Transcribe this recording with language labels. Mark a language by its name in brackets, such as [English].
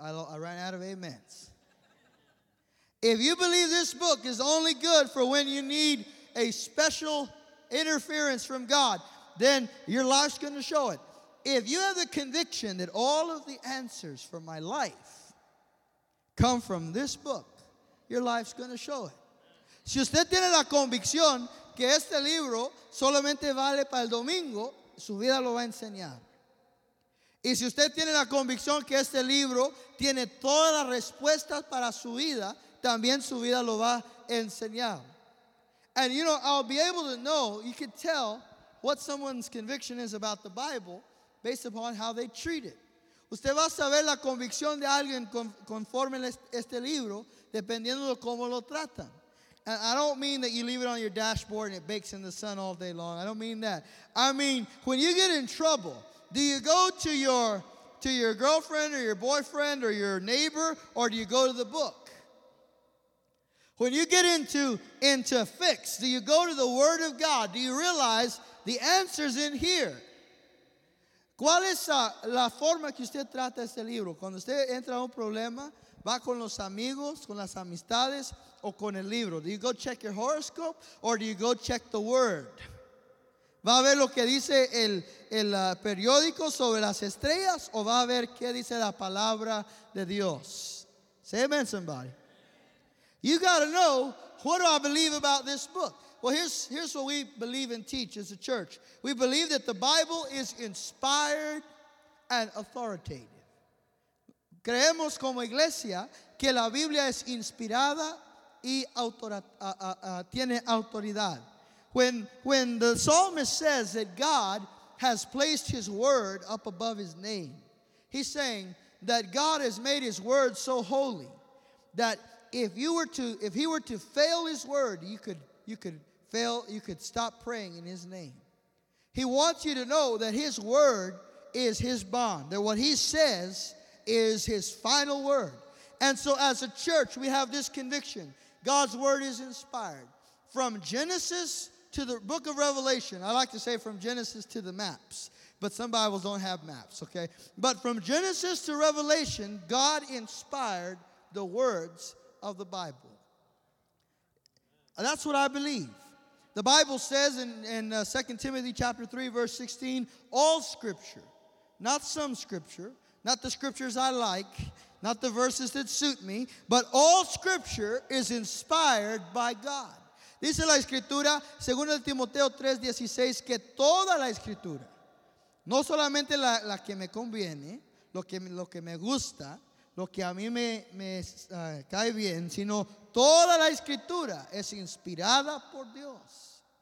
[English] I ran out of amens. If you believe this book is only good for when you need a special interference from God, then your life's going to show it. If you have the conviction that all of the answers for my life come from this book, your life's going to show it. [Spanish] Si usted tiene la convicción que este libro solamente vale para el domingo, su vida lo va a enseñar. Y si usted tiene la convicción que este libro tiene todas las respuestas para su vida, también su vida lo va a enseñar. [English] And you know, I'll be able to know, you can tell what someone's conviction is about the Bible based upon how they treat it. [Spanish] Usted va a saber la convicción de alguien conforme este libro dependiendo de cómo lo tratan. [English] And I don't mean that you leave it on your dashboard and it bakes in the sun all day long. I don't mean that. I mean, when you get in trouble, do you go to your girlfriend or your boyfriend or your neighbor, or do you go to the book? When you get into a fix, do you go to the Word of God? Do you realize the answer's in here? [Spanish] ¿Cuál es la forma que usted trata este libro? Cuando usted entra a un problema, ¿va con los amigos, con las amistades, o con el libro? [English] Do you go check your horoscope, or do you go check the word? [Spanish] ¿Va a ver lo que dice el periódico sobre las estrellas, o va a ver qué dice la palabra de Dios? [English] Say amen, somebody. You got to know, what do I believe about this book? Well, here's what we believe and teach as a church. We believe that the Bible is inspired and authoritative. [Spanish] Creemos como iglesia que la Biblia es inspirada y tiene autoridad. [English] When the psalmist says that God has placed his word up above his name, he's saying that God has made his word so holy that if he were to fail his word, you could stop praying in his name. He wants you to know that his word is his bond, that what he says is his final word. And so as a church, we have this conviction: God's word is inspired. From Genesis to the book of Revelation. I like to say from Genesis to the maps, but some Bibles don't have maps, okay? But from Genesis to Revelation, God inspired the words of the Bible. That's what I believe. The Bible says in 2 Timothy chapter 3, verse 16, all scripture, not some scripture, not the scriptures I like, not the verses that suit me, but all scripture is inspired by God. [Spanish] Dice la escritura, según el Timoteo 3:16, que toda la escritura, no solamente la que me conviene, lo que me gusta, lo que a mí me cae bien, sino toda la escritura es inspirada por Dios.